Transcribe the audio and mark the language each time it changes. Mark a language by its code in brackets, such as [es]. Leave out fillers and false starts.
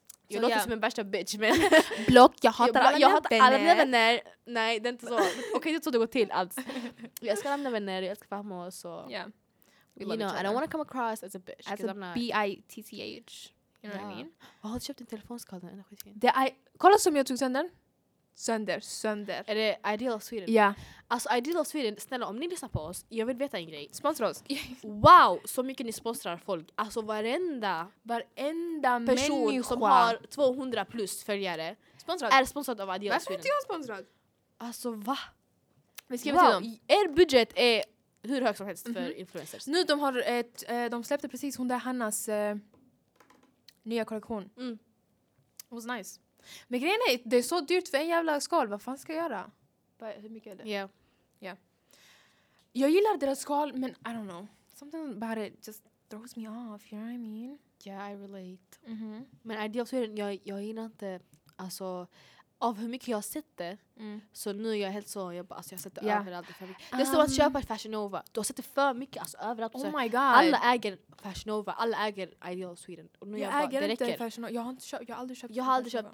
[sv] Jag låter som en värsta bitch, men... Block, jag hatar alla mina vänner. Alla mina vänner. Nej, det är inte så. Okej, det är så det går till, alltså. Jag älskar alla mina vänner, jag älskar fahmo, så... [en] You know, I don't want to come across as a bitch. As a bitch. You know what I mean? [sv] Jag har köpt en telefonskal den. Kolla som jag tog sönder. Sönder. Är det Ideal of Sweden? Ja. Alltså Ideal of Sweden, snälla, om ni lyssnar på oss, jag vill veta en grej. Sponsra oss. Wow, så mycket ni sponsrar folk. Alltså varenda person människa som har 200 plus följare sponsrad. Är sponsrad av Ideal of Sweden. Varför inte jag sponsrad? Alltså va? Vi skriver till dem. Er budget är... Hur högt som helst för influencers. Nu de har ett, de släppte precis hon där Hannas nya kollektion. Mm. [en] It was nice. [sv] Men grejen är, det är så dyrt för en jävla skal. Vad fan ska jag göra? Hur mycket är det? [en] Yeah. [sv] Jag gillar deras skal, men [en] I don't know. Something about it just throws me off, you know what I mean? Yeah, I relate. Mm-hmm. [sv] Men Ideal Sweden, jag gillar inte, alltså... Av hur mycket jag har sett det. Mm. Så nu är jag helt så. Jag har sett det överallt. Det är som att köpa Fashion Nova. Du har sett det för mycket. Alltså överallt. [en] Oh my god. [sv] Alla äger Fashion Nova. Alla äger Ideal Sweden. Och nu jag äger inte Fashion Nova. Jag har aldrig köpt.